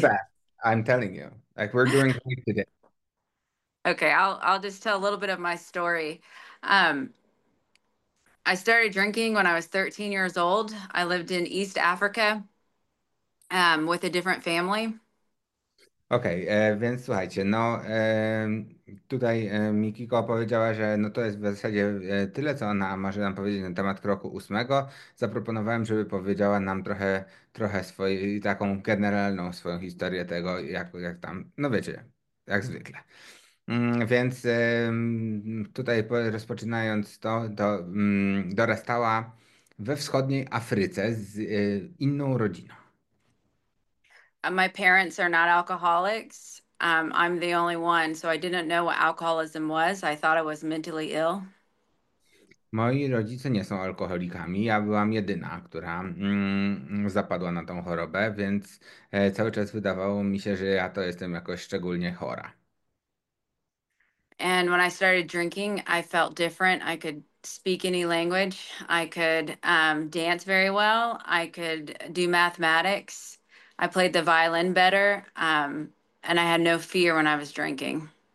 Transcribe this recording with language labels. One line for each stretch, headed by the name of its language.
English: best. I'm telling you. Like, we're doing great today. Okay, I'll just tell a little bit of my story. I started drinking when I was 13 years old. I lived in East Africa, with a different family.
Polish: Więc słuchajcie, no tutaj Mikiko powiedziała, że no to jest w zasadzie tyle, co ona może nam powiedzieć na temat kroku ósmego. Zaproponowałem, żeby powiedziała nam trochę swojej taką generalną swoją historię tego, jak tam, no wiecie, jak zwykle. Więc tutaj rozpoczynając to, dorastała we wschodniej Afryce z inną rodziną.
English: My parents are not alcoholics. I'm the only one, so I didn't know what alcoholism was. I thought I was mentally ill.
Polish: Moi rodzice nie są alkoholikami. Ja byłam jedyna, która zapadła na tą chorobę, więc cały czas wydawało mi się, że ja to jestem jakoś szczególnie chora.
English: And when I started drinking, I felt different. I could speak any language. I could dance very well. I could do mathematics. I played the violin better, and I had no fear when I was drinking.